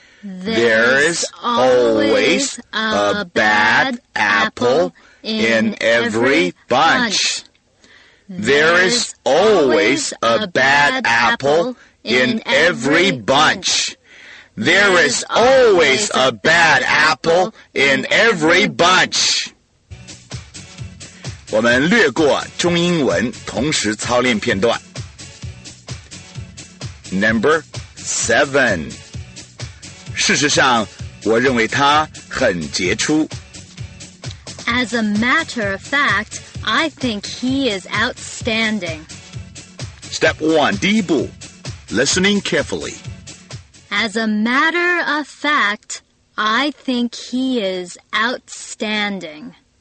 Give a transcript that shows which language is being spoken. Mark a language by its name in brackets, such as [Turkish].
[English] There's always a bad apple in every bunch. There is always a bad apple in every bunch. There is always a bad apple in every bunch. [Chinese] 我们略过中英文同时操练片段。 [English] Number 7。 [Chinese] 事实上，我认为他很杰出。 [English] As a matter of fact, I think he is outstanding. Step 1, [Chinese] 第一步 [English] listening carefully. As a matter of fact, I think he is outstanding.